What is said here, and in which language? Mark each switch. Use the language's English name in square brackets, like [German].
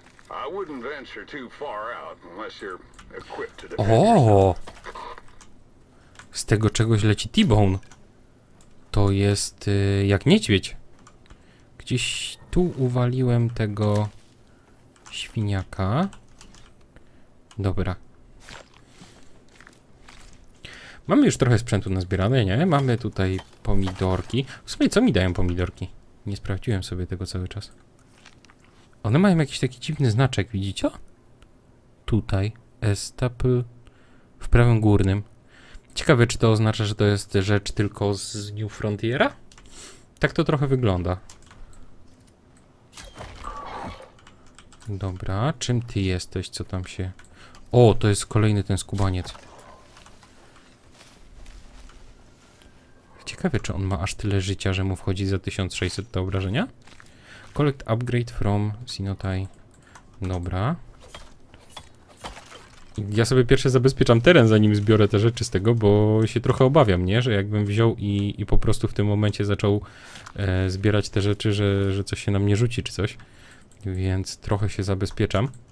[English] I wouldn't venture too far out unless you're equipped to defend. [Polish] Oh! Z tego czegoś leci T-Bone. to jest jak niedźwiedź. Gdzieś tu uwaliłem tego świniaka. Dobra. Mamy już trochę sprzętu nazbierane, nie? Mamy tutaj pomidorki. W sumie co mi dają pomidorki? Nie sprawdziłem sobie tego cały czas. One mają jakiś taki dziwny znaczek, widzicie? Tutaj. Estaple. W prawym górnym. Ciekawe, czy to oznacza, że to jest rzecz tylko z New Frontiera? Tak to trochę wygląda. Dobra, czym ty jesteś, co tam się... O, to jest kolejny ten skubaniec. Ciekawe, czy on ma aż tyle życia, że mu wchodzi za 1600 do obrażenia? [English] Collect upgrade from Sinotai. [Polish] Dobra. Ja sobie pierwsze zabezpieczam teren, zanim zbiorę te rzeczy z tego, bo się trochę obawiam, nie? Że jakbym wziął i po prostu w tym momencie zaczął zbierać te rzeczy, że coś się na mnie rzuci czy coś. Więc trochę się zabezpieczam.